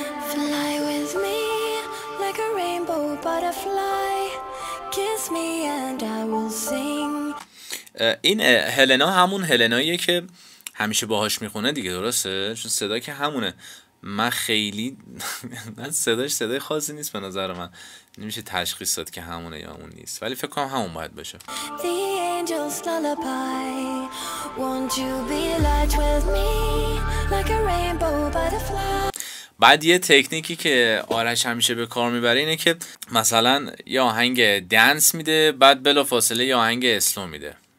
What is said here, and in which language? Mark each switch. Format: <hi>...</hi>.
<en>Fly with me like a rainbow butterfly, kiss me and I will sing.</en> <fa>این هلنا همون هلناییه که همیشه باهاش میخونه دیگه، درسته؟ چون صدا که همونه. من خیلی من صداش صدای خاصی نیست به نظر من، نمیشه تشخیص داد که همونه یا اون نیست، ولی فکر کنم همون باید باشه.</fa> <en>The angel's lullaby, won't you be light with me like a rainbow butterfly.</en> <fa>بعد یه تکنیکی که آرش همیشه به کار میبره اینه که مثلا یه آهنگ دنس میده، بعد بلافاصله یه آهنگ اسلو میده.</fa>